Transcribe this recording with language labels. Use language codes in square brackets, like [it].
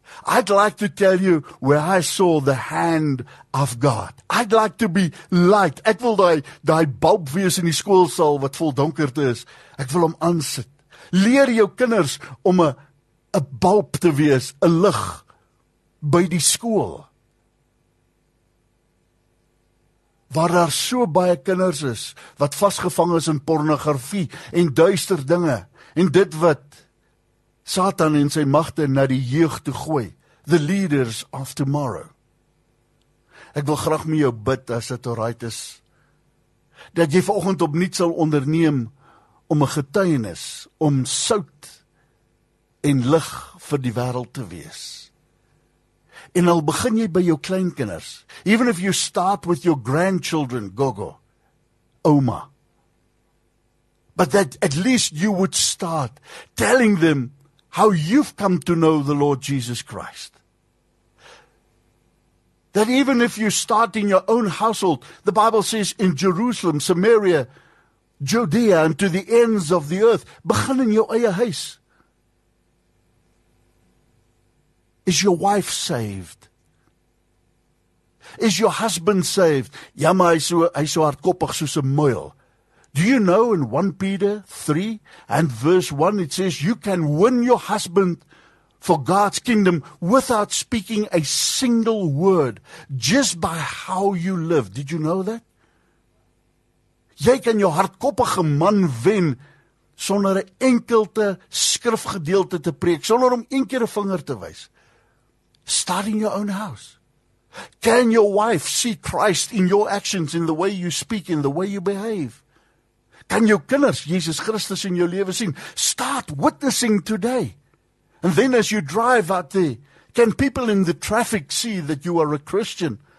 [en] I'd like to tell you where I saw the hand of God. I'd like to be light. [af] Ek wil die bulb wees in die skoolsaal wat vol donkerte is. Ek wil hom aansit. Leer jou kinders om 'n bulb te wees, 'n lig by die skool. Waar daar so baie kinders is, wat vasgevang is in pornografie en duister dinge, en dit wat Satan en sy magte na die jeug toe gooi, [en] the leaders of tomorrow. [af] Ek wil graag met jou bid, as dit alright is, dat jy vanoggend opnuut sal onderneem om 'n getuienis, om sout en lig vir die wêreld te wees. En al begin jy by jou kleinkinders, [en] even if you start with your grandchildren, Gogo, Oma, but that at least you would start telling them how you've come to know the Lord Jesus Christ. That even if you start in your own household, the Bible says in Jerusalem, Samaria, Judea, and to the ends of the earth, begin in your [af] eie huis. [en] Is your wife saved? Is your husband saved? [af] Jammer, hy so hardkoppig soos 'n muil. [en] Do you know in 1 Peter 3 and verse 1 it says you can win your husband for God's kingdom without speaking a single word, just by how you live. Did you know that? [af] Jy kan jou hardkoppige man wen sonder 'n enkelte skrifgedeelte te preek, sonder om een keer 'n vinger te wys. [en] Start in your own house. Can your wife see Christ in your actions, in the way you speak, in the way you behave? Can your kinders Jesus Christus in your lewe sien? Start witnessing today. And then as you drive out there, can people in the traffic see that you are a Christian?